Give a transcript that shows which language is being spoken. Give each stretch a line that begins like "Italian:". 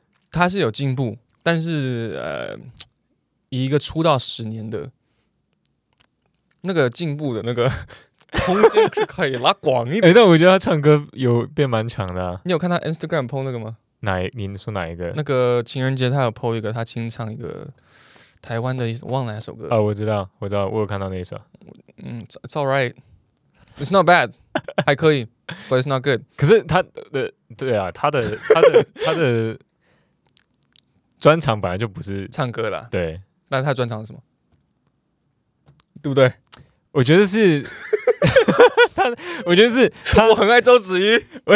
Chinese: 他是有进步，但是以一个出道十年的，那个进步的那个空间是可以拉广一点。哎、欸，但我觉得他唱歌有变蛮强的、啊。你有看他 Instagram PO 那个吗？你说哪一个？那个情人节他有 PO 一个，他清唱一个。台湾的忘了哪首歌啊、哦？我知道，我有看到那一首。
English: 嗯 ，It's all right, it's not bad，
Chinese: 还可以
English: ，but it's not good。
Chinese: 可是他的对啊，他的他的专长本来就不是唱歌啦。对，那他专长是什么？对不对？我觉得是他，我觉得是他，我很爱周子瑜，